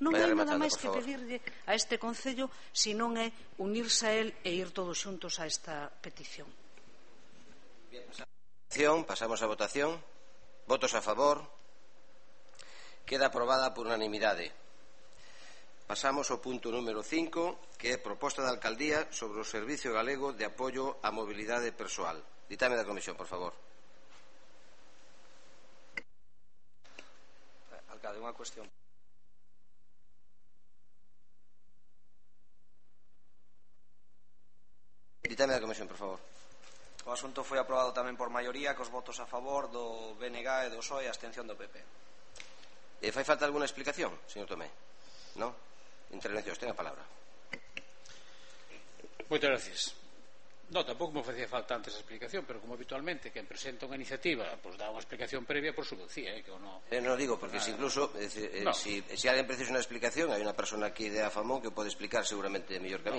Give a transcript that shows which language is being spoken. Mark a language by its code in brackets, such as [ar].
[gl] Non hai nada máis que pedirlle a este Concello, senón é unirse a él e ir todos xuntos a esta petición. Bien, pasamos a votación. Votos a favor. Queda aprobada por unanimidade. Pasamos ao punto número 5, que é proposta da Alcaldía sobre o Servicio Galego de Apoio á Mobilidade Persoal. Ditame da Comisión, por favor. Alcalde, unha cuestión. Ditame da Comisión, por favor. O asunto foi aprobado tamén por maioría, cos votos a favor do BNG e do PSOE, a abstención do PP. E fai falta alguna explicación, señor Tomé? Non? Intervención, ten a palabra. [es] Muchas gracias. No, tampoco me ofrecía falta antes la explicación, pero como habitualmente quien presenta una iniciativa pues da una explicación previa, por supuesto, sí, que o no. No digo, porque nada, si incluso si alguien precisa una explicación, hay una persona aquí de AFAMON que puede explicar seguramente mejor que a mí.